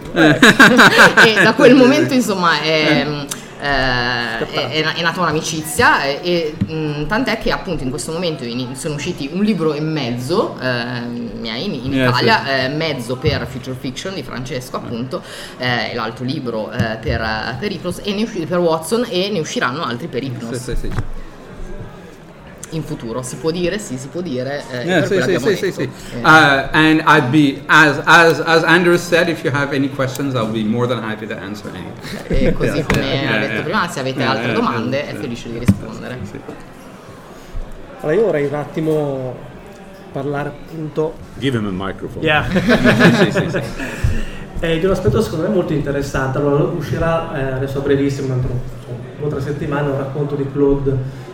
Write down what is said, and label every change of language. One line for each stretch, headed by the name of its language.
Italian: E da quel momento, insomma, è nata un'amicizia, e tant'è che appunto in questo momento sono usciti un libro e mezzo miei in Italia, sì. Mezzo per Future Fiction di Francesco, appunto, e l'altro libro per Hypnos, e ne è uscito per Watson, e ne usciranno altri per Hypnos. Sì, sì, sì. In futuro si può dire, sì, si può dire.
English: And I'd be as Andrew said, if you have any questions, I'll be more than happy to answer any.
Italian: E così come ha detto prima, se avete altre domande, è felice di rispondere. Sì. Allora, io vorrei un attimo parlare, appunto.
English: Give him a microphone.
Italian: Yeah. Sì. Di un aspetto secondo me molto interessante. Allora, uscirà adesso a brevissimo, un'altra settimana, un racconto di Claude.